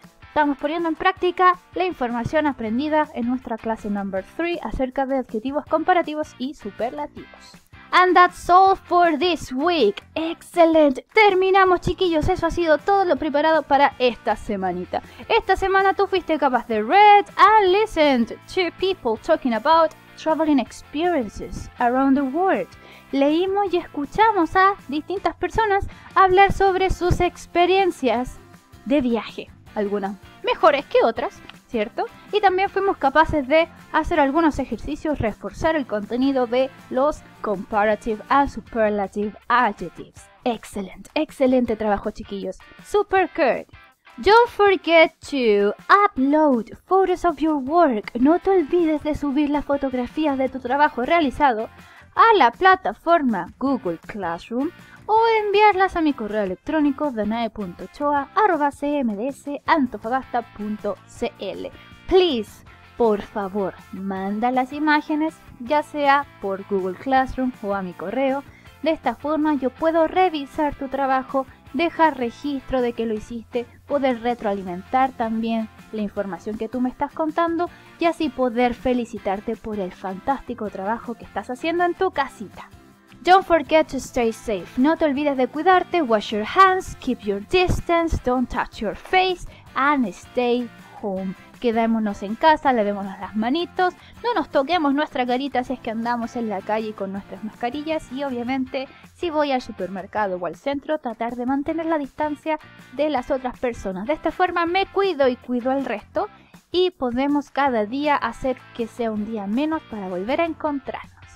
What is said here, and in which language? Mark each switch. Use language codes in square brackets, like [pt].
[es] Estamos poniendo en práctica la información aprendida en nuestra clase number 3 acerca de adjetivos comparativos y superlativos. [en] And that's all for this week. Excellent. [es] Terminamos, chiquillos. Eso ha sido todo lo preparado para esta semanita. Esta semana tú fuiste capaz de [en] read and listened to people talking about traveling experiences around the world. [es] Leímos y escuchamos a distintas personas hablar sobre sus experiencias de viaje. Algunas mejores que otras, ¿cierto? Y también fuimos capaces de hacer algunos ejercicios, reforzar el contenido de los [en] comparative and superlative adjectives. [es] Excelente, excelente trabajo, chiquillos. [en] Super good. Don't forget to upload photos of your work. [es] No te olvides de subir las fotografías de tu trabajo realizado a la plataforma Google Classroom o enviarlas a mi correo electrónico danae.ochoa@cmds.antofagasta.cl. Please, por favor, manda las imágenes, ya sea por Google Classroom o a mi correo. De esta forma yo puedo revisar tu trabajo dejar registro de que lo hiciste, poder retroalimentar también la información que tú me estás contando y así poder felicitarte por el fantástico trabajo que estás haciendo en tu casita. [en] Don't forget to stay safe. [es] No te olvides de cuidarte, [en] wash your hands, keep your distance, don't touch your face and stay home. [es] Quedémonos en casa, lavémonos las manitos, no nos toquemos nuestra carita si es que andamos en la calle con nuestras mascarillas y obviamente si voy al supermercado o al centro, tratar de mantener la distancia de las otras personas. De esta forma me cuido y cuido al resto y podemos cada día hacer que sea un día menos para volver a encontrarnos.